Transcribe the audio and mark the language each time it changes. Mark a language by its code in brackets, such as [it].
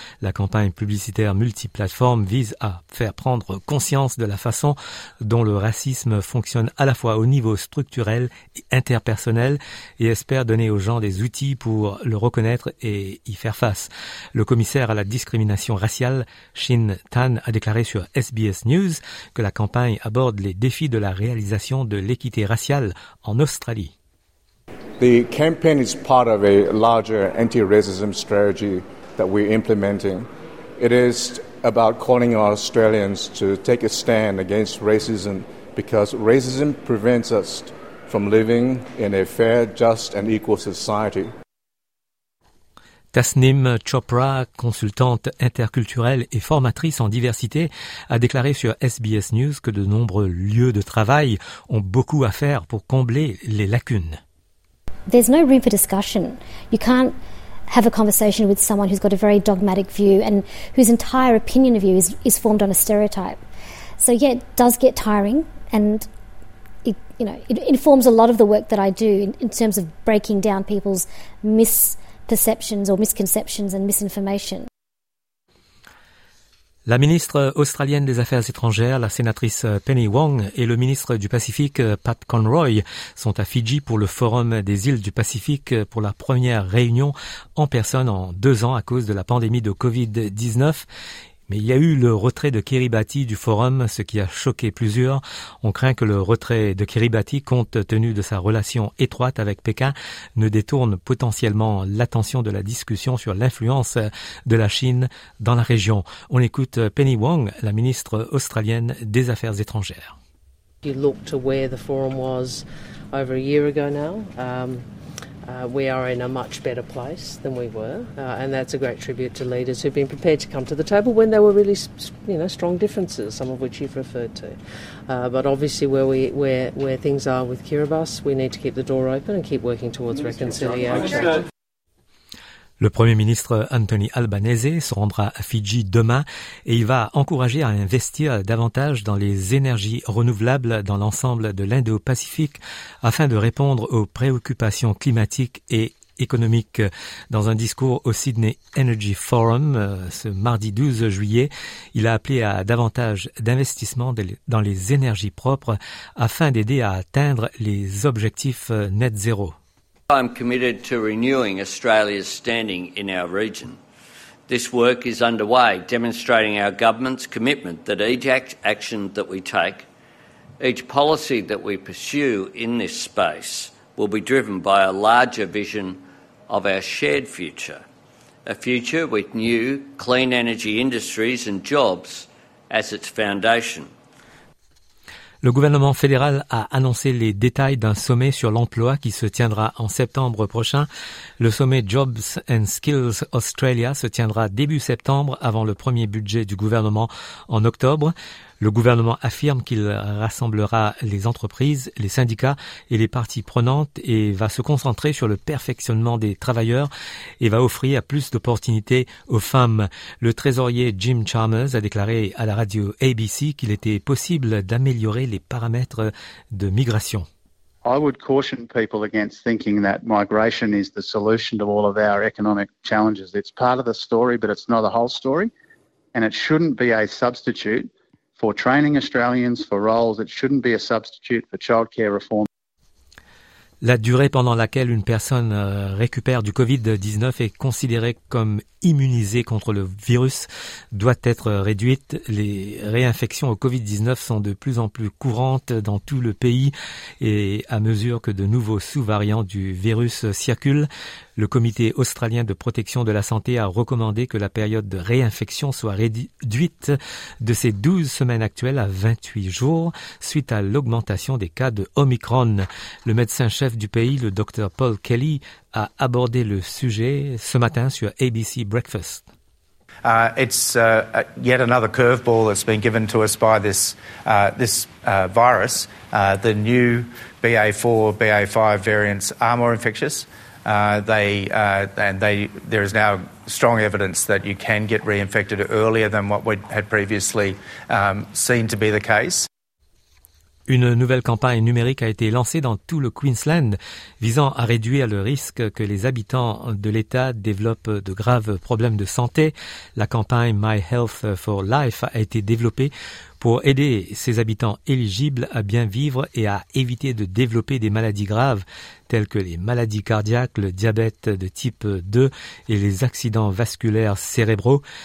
[fr] La campagne publicitaire multiplateforme vise à faire prendre conscience de la façon dont le racisme fonctionne à la fois au niveau structurel et interpersonnel et espère donner aux gens des outils pour le reconnaître et y faire face. Le commissaire à la discrimination raciale, Shin Tan, a déclaré sur SBS News que la campagne aborde les défis de la réalisation de l'équité raciale en Australie. [en] The campaign is part of a larger anti-racism strategy that we're implementing. It is about calling our Australians to take a stand against racism because racism prevents us from living in a fair, just and equal society. [fr] Tasnim Chopra, consultante interculturelle et formatrice en diversité, a déclaré sur SBS News que de nombreux lieux de travail ont beaucoup à faire pour combler les lacunes. [en] There's no room for discussion. You can't have a conversation with someone who's got a very dogmatic view and whose entire opinion of you is formed on a stereotype. So yeah, it does get tiring and it informs a lot of the work that I do in terms of breaking down people's misperceptions or misconceptions and misinformation. [fr] La ministre australienne des Affaires étrangères, la sénatrice Penny Wong, et le ministre du Pacifique, Pat Conroy, sont à Fidji pour le Forum des îles du Pacifique pour la première réunion en personne en 2 ans à cause de la pandémie de Covid-19. Mais il y a eu le retrait de Kiribati du Forum, ce qui a choqué plusieurs. On craint que le retrait de Kiribati, compte tenu de sa relation étroite avec Pékin, ne détourne potentiellement l'attention de la discussion sur l'influence de la Chine dans la région. On écoute Penny Wong, la ministre australienne des Affaires étrangères. [en] You look to where the forum was over a year ago now. We are in a much better place than we were, and that's a great tribute to leaders who've been prepared to come to the table when there were really, strong differences, some of which you've referred to. But obviously, where things are with Kiribati, we need to keep the door open and keep working towards reconciliation. [fr] Le Premier ministre Anthony Albanese se rendra à Fidji demain et il va encourager à investir davantage dans les énergies renouvelables dans l'ensemble de l'Indo-Pacifique afin de répondre aux préoccupations climatiques et économiques. Dans un discours au Sydney Energy Forum ce mardi 12 juillet, il a appelé à davantage d'investissements dans les énergies propres afin d'aider à atteindre les objectifs net zéro. [en] I'm committed to renewing Australia's standing in our region. This work is underway, demonstrating our government's commitment that each action that we take Each policy that we pursue in this space will be driven by a larger vision of our shared future, a future with new clean energy industries and jobs as its foundation. [fr] Le gouvernement fédéral a annoncé les détails d'un sommet sur l'emploi qui se tiendra en septembre prochain. Le sommet Jobs and Skills Australia se tiendra début septembre avant le premier budget du gouvernement en octobre. Le gouvernement affirme qu'il rassemblera les entreprises, les syndicats et les parties prenantes et va se concentrer sur le perfectionnement des travailleurs et va offrir plus d'opportunités aux femmes. Le trésorier Jim Chalmers a déclaré à la radio ABC qu'il était possible d'améliorer les paramètres de migration. [en] I would caution people against thinking that migration is the solution to all of our economic challenges. It's part of the story, but it's not the whole story, and it shouldn't be a substitute for training Australians for roles. It shouldn't be a substitute for childcare reform. [fr] La durée pendant laquelle une personne récupère du COVID-19 et considérée comme immunisée contre le virus doit être réduite. Les réinfections au COVID-19 sont de plus en plus courantes dans tout le pays et à mesure que de nouveaux sous-variants du virus circulent, le Comité australien de protection de la santé a recommandé que la période de réinfection soit réduite de ses 12 semaines actuelles à 28 jours suite à l'augmentation des cas de Omicron. Le médecin-chef du pays, le Dr Paul Kelly, a abordé le sujet ce matin sur ABC Breakfast. [en] It's yet another curveball that's been given to us by this virus. The new BA4, BA5 variants are more infectious. There is now strong evidence that you can get reinfected earlier than what we had previously seen to be the case. [fr] Une nouvelle campagne numérique a été lancée dans tout le Queensland visant à réduire le risque que les habitants de l'État développent de graves problèmes de santé. La campagne My Health for Life a été développée pour aider ses habitants éligibles à bien vivre et à éviter de développer des maladies graves telles que les maladies cardiaques, le diabète de type 2 et les accidents vasculaires cérébraux.